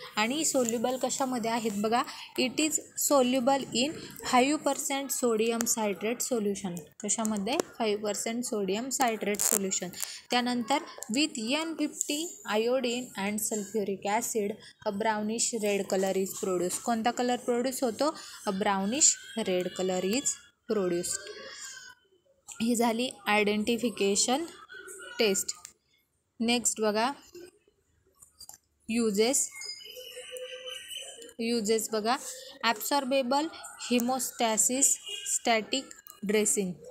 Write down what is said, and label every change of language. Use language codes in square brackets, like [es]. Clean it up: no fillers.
[mr] आणि सोल्युबल कशामध्ये आहेत बघा, [en] It is soluble in 5% sodium citrate solution. [mr] कशामध्ये? [en] 5% sodium citrate solution. त्यानंतर with N50 iodine and sulphuric acid a brownish red colour is produce. [mr] कोणता colour produce होतो? [en] A brownish red colour is produced. [mr] ही झाली identification taste. Next बघा, uses बघा, ॲब्सॉर्बेबल हिमोस्टॅसिस static dressing.